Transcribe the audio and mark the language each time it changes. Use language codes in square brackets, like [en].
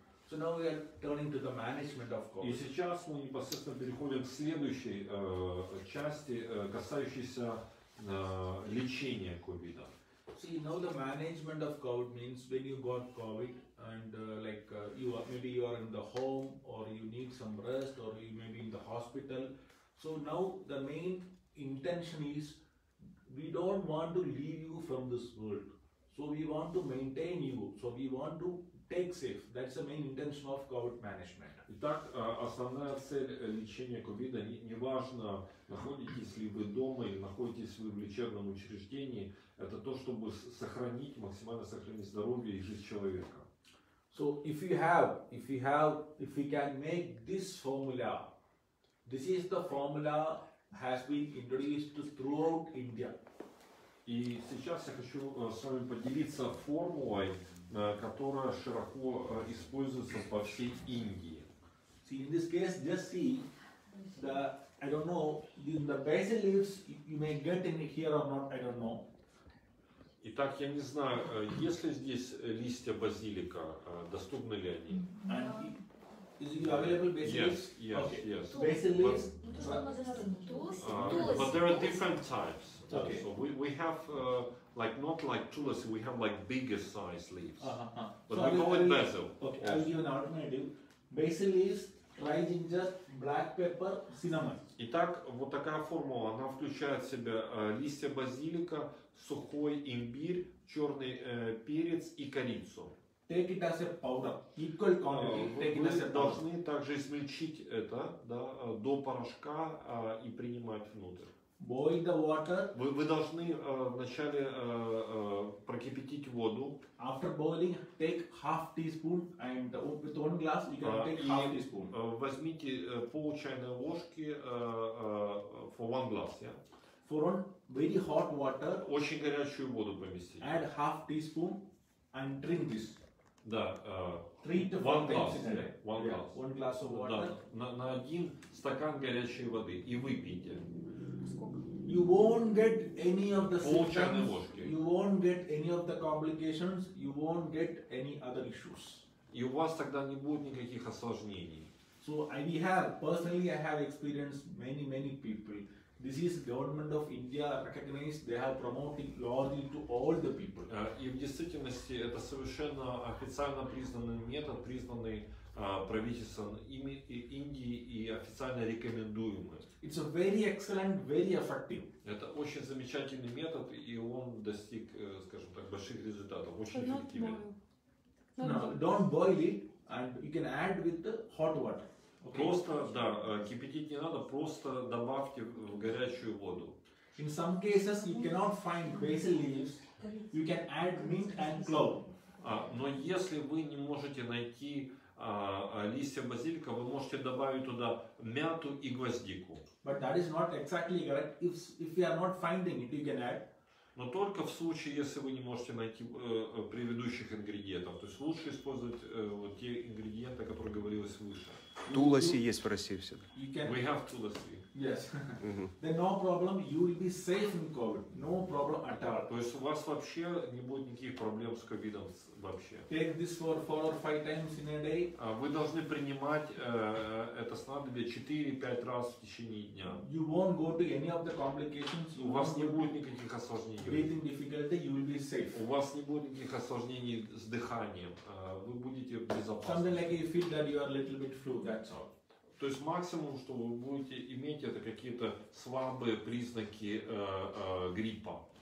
[en] So now we are turning to the management of COVID. [ru] И сейчас мы непосредственно переходим к следующей части, касающейся лечения COVID. [en] See, now the management of COVID means when you got COVID and you are in the home or you need some rest or you may be in the hospital. So now the main intention is we don't want to leave you from this world. So we want to maintain you. So we want to take safe. That's the main intention of COVID management. [ru] Итак, основная цель лечения COVID-а, неважно, находитесь ли вы дома или находитесь вы в лечебном учреждении, это то, чтобы сохранить, максимально сохранить здоровье и жизнь человека. [en] So if we can make this formula, this is the formula has been introduced throughout India. [ru] И сейчас я хочу с вами поделиться формулой, которая широко используется по всей Индии. [en] See, in this case, just see, I don't know, in the basil leaves, you may get in here or not, I don't know. [ru] Итак, я не знаю, есть ли здесь листья базилика, доступны ли они? [en] Is it available basil leaves? Yes, okay. Yes. Basil leaves? But there are different types. Okay. So we have not like tulsi, we have like bigger size leaves. Uh-huh. But so we call it basil. Okay, yes. I'll give an alternative. Basil leaves, dry ginger, black pepper, cinnamon. [ru] Итак, вот такая формула, она включает в себя листья базилика, сухой имбирь, черный перец и корицу. [en] Take it as a powder, equal quantity. [ru] Вы должны также измельчить это, да, до порошка и принимать внутрь. [en] Boil the water. [ru] Вы должны вначале прокипятить воду. [en] After boiling, take half teaspoon and with one glass you can take half teaspoon. [ru] Возьмите пол чайной ложки [en] for one glass, yeah. For one very hot water. [ru] Очень горячую воду поместить. [en] Add half teaspoon and drink this. [ru] Да, [en] one glass of water. [ru] Да, на один стакан горячей воды и выпейте. [en] You won't get any of the symptoms. You won't get any of the complications. You won't get any other issues. [ru] И у вас тогда не будет никаких осложнений. [en] So we have, personally I have experienced many, many people. This is government of India recognized, they have promoted loyalty to all the people. [ru] И в действительности это совершенно официально признанный метод, признанный правительством Индии и официально рекомендуемый. [en] It's a very excellent, very effective. [ru] Это очень замечательный метод, и он достиг, скажем так, больших результатов, очень эффективен. [en] No, don't boil it, and you can add with the hot water. Okay. [ru] Просто, да, кипятить не надо, просто добавьте в горячую воду. [en] In some cases you cannot find basil leaves, you can add mint and clove. [ru] Но если вы не можете найти листья базилика, вы можете добавить туда мяту и гвоздику. [en] But that is not exactly correct. If you are not finding it, you can add. [ru] Но только в случае, если вы не можете найти предыдущих ингредиентов. То есть лучше использовать вот те ингредиенты, о которых говорилось выше. Туласи есть в России все. [en] We have туласи. Yes. Mm-hmm. Then no problem, you will be safe in COVID. No problem at all. [ru] То есть у вас вообще не будет никаких проблем с ковидом вообще. [en] Take this for 4 or 5 times in a day. [ru] Вы должны принимать это снадобие 4-5 раз в течение дня. [en] You won't go to any of the complications. [ru] У вас не будет никаких осложнений. [en] Breathing difficulty, you will be safe. [ru] У вас не будет никаких осложнений с дыханием. Вы будете безопасны. [en] Something like you feel that you are a little bit flu, that's all. [ru] То есть максимум, что вы будете иметь, это какие-то слабые признаки гриппа.